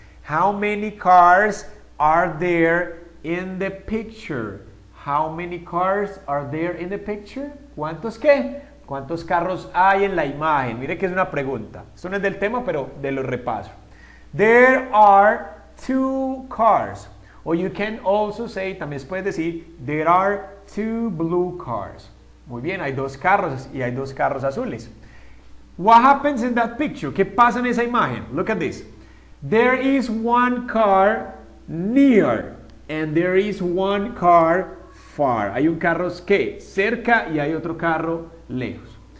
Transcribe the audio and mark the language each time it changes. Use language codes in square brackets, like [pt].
[en] How many cars are there in the picture? How many cars are there in the picture? [es] ¿Cuántos qué? ¿Cuántos carros hay en la imagen? Mire que es una pregunta. Esto no es del tema, pero de lo repaso. [en] There are two cars. O you can also say, [es] también se puede decir, [en] there are two blue cars. [es] Muy bien, hay dos carros y hay dos carros azules. [en] What happens in that picture? [es] ¿Qué pasa en esa imagen? [en] Look at this. There is one car near and there is one car far. [es] Hay un carro que cerca y hay otro carro lejos.